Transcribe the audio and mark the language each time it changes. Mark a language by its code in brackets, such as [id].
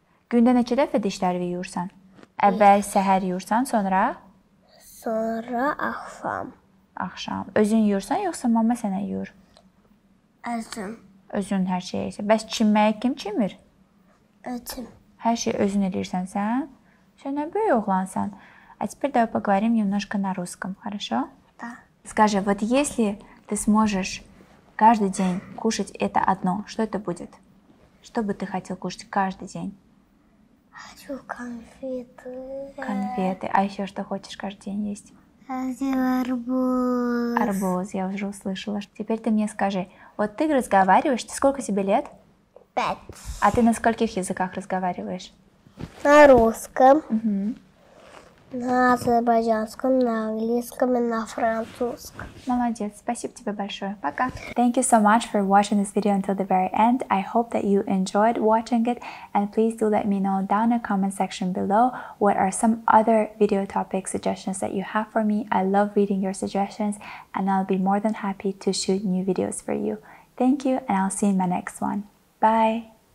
[az] Gündə neçə dəfə dişlerini yuyursan? Əvvəl səhər yuyursan, sonra? Sonra axşam. Axşam. Özün yuyursan, yoxsa mama sənə yuyur? Özüm. Özün hər şey isə. Bəs çimməyə kim çimir? Özüm. Hər şey özün edirsən sən? Sən nə böyük oğlansan? [ru] A теперь давай поговорим немножко на русском, хорошо? Да. Скажи, вот если ты сможешь каждый день кушать это одно, что это будет? Что бы ты хотел кушать каждый день? Хочу конфеты. Конфеты. А еще что хочешь каждый день есть? Хотел арбуз. Арбуз, я уже услышала. Теперь ты мне скажи, вот ты разговариваешь, ты сколько тебе лет? 5. А ты на скольких языках разговариваешь? На русском. Угу. На азербайджанском, на английском и на французском. Молодец, спасибо тебе большое. Пока. [en] Thank you so much for watching this video until the very end. I hope that you enjoyed watching it. And please do let me know down in the comment section below what are some other video topic suggestions that you have for me. I love reading your suggestions and I'll be more than happy to shoot new videos for you. Thank you and I'll see you in my next one. Bye.